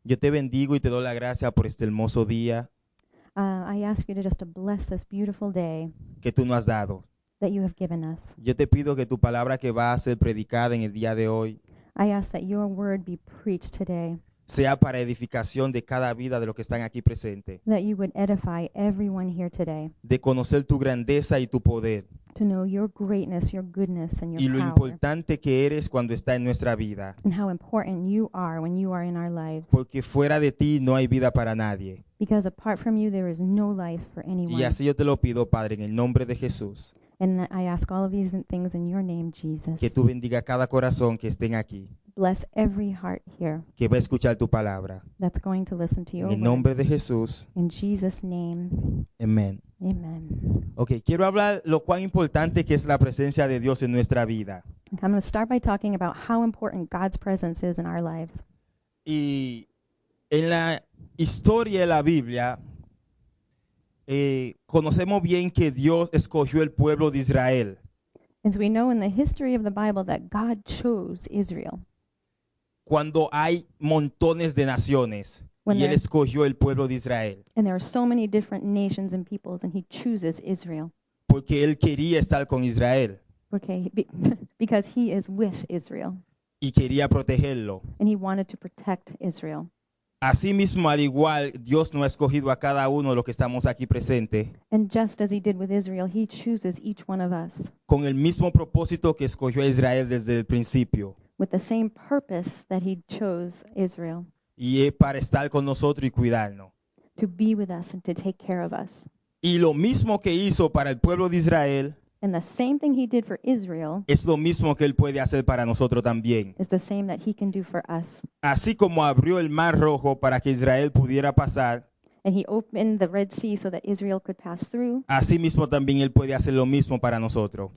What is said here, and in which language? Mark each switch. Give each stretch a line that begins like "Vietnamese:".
Spanish: Yo te bendigo y te doy la gracia por este hermoso día.
English: I ask you to just bless this beautiful day.
Spanish: Que tú nos has dado.
English: That you have given us.
Spanish: Yo te pido que tu palabra que va a ser predicada en el día de hoy.
English: I ask that your word be preached today.
Spanish: Sea para edificación de cada vida de los que están aquí presentes.
English: That you would edify everyone here today.
Spanish: De conocer tu grandeza y tu poder.
English: to know your greatness, your goodness, and your power.
Spanish: Y lo importante que eres cuando está en nuestra vida.
English: And how important you are when you are in our lives.
Spanish: Porque fuera de ti no hay vida para nadie.
English: Because apart from you, there is no life for anyone.
Spanish: Y así yo te lo pido, Padre, en el nombre de Jesús.
English: And I ask all of these things in your name, Jesus.
Spanish: Que tú bendiga cada corazón que estén aquí.
English: Bless every heart here.
Spanish: Que va a escuchar tu palabra.
English: That's going to listen to your word.
Spanish: En el nombre de Jesús.
English: In Jesus' name. Amen. Amen.
Spanish: Okay, quiero hablar lo cuán importante que es la presencia de Dios en nuestra vida.
English: I'm going to start by talking about how important God's presence is in our lives.
Spanish: Y en la historia de la Biblia, conocemos bien que Dios escogió el pueblo de Israel.
English: As we know in the history of the Bible that God chose Israel.
Spanish: Cuando hay montones de naciones y él escogió el pueblo de Israel.
English: And there are so many different nations and peoples and he chooses Israel.
Spanish: Porque él quería estar con Israel.
English: Okay, because he is with Israel.
Spanish: Y quería protegerlo.
English: And he wanted to protect Israel.
Spanish: Así mismo, al igual, Dios nos ha escogido a cada uno de los que estamos aquí presente.
English: And just as he did with Israel, he chooses each one of us.
Spanish: Con el mismo propósito que escogió a Israel desde el principio.
English: With the same purpose that he chose Israel.
Spanish: Y es para estar con nosotros y cuidarnos.
English: To be with us and to take care of us.
Spanish: Y lo mismo que hizo para el pueblo de Israel.
English: And the same thing he did for Israel.
Spanish: Es lo mismo que él puede hacer para nosotros también.
English: Is the same that he can do for us.
Spanish: Así como abrió el Mar Rojo para que Israel pudiera pasar.
English: And he opened the Red Sea so that Israel could pass through.
Spanish: Así mismo también él puede hacer lo mismo para nosotros.